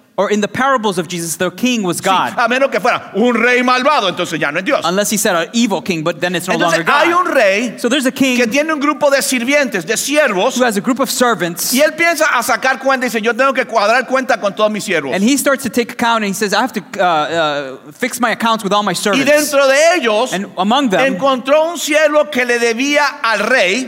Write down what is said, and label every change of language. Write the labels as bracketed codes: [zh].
[en] Or in the parables of Jesus, the king was God. [es] Sí, a menos que fuera un rey malvado, entonces ya no es Dios. [en] Unless he said an evil king, but then it's no [es] entonces, [en] longer God. [es] Hay un rey, [en] so there's a king [es] que tiene un grupo de sirvientes, de siervos, [en] who has a group of servants. [es] Y él piensa a sacar cuenta y dice, yo tengo que cuadrar cuenta con todos mis siervos. [en] And he starts to take account and he says, I have to fix my accounts with all my servants. [es] Y dentro de ellos, [en] and among them, [es] encontró un siervo que le debía al rey.